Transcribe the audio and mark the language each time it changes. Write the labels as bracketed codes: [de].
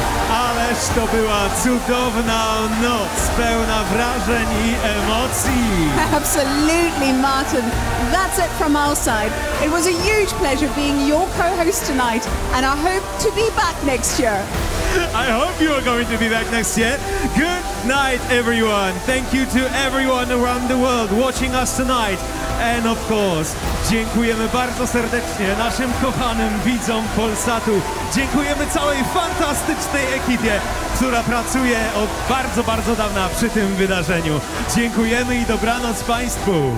[pl] Ależ to była cudowna noc, pełna wrażeń I emocji. [en] Absolutely, Martin. That's it from our side. It was a huge pleasure being your co-host tonight, and I hope to be back next year. I hope you are going to be back next year. Good night, everyone. Thank you to everyone around the world watching us tonight. And of course, [pl] dziękujemy bardzo serdecznie naszym kochanym widzom Polsatu. Dziękujemy całej fantastycznej ekipie, która pracuje od bardzo, bardzo dawna przy tym wydarzeniu. Dziękujemy I dobranoc Państwu.